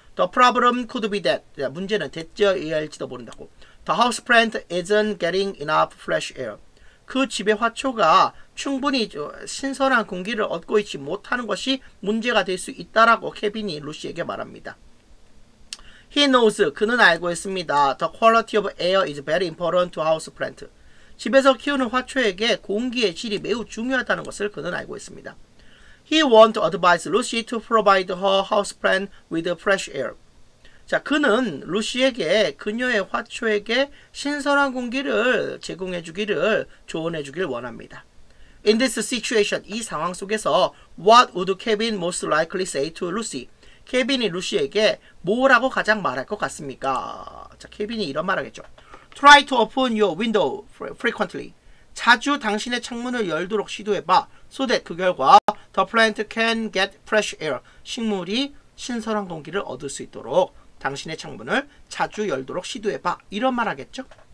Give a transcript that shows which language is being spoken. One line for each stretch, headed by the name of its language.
English: The problem could be that.
Korean: 자, 문제는 데츠얼리아일지도 모른다고.
English: The houseplant isn't getting enough fresh air.
Korean: 그 집의 화초가 충분히 신선한 공기를 얻고 있지 못하는 것이 문제가 될 수 있다라고 케빈이 루시에게 말합니다.
English: He knows,
Korean: 그는 알고 있습니다.
English: The quality of air is very important to houseplant.
Korean: 집에서 키우는 화초에게 공기의 질이 매우 중요하다는 것을 그는 알고 있습니다.
English: He won't advise Lucy to provide her houseplant with fresh air.
Korean: 자, 그는 루시에게 그녀의 화초에게 신선한 공기를 제공해 주기를 조언해 주길 원합니다.
English: In this situation,
Korean: 이 상황 속에서
English: What would Kevin most likely say to Lucy?
Korean: 케빈이 루시에게 뭐라고 가장 말할 것 같습니까? 자, 케빈이 이런 말 하겠죠.
English: Try to open your window frequently.
Korean: 자주 당신의 창문을 열도록 시도해봐.
English: So that
Korean: 그 결과
English: The plant can get fresh air.
Korean: 식물이 신선한 공기를 얻을 수 있도록 당신의 창문을 자주 열도록 시도해봐. 이런 말 하겠죠?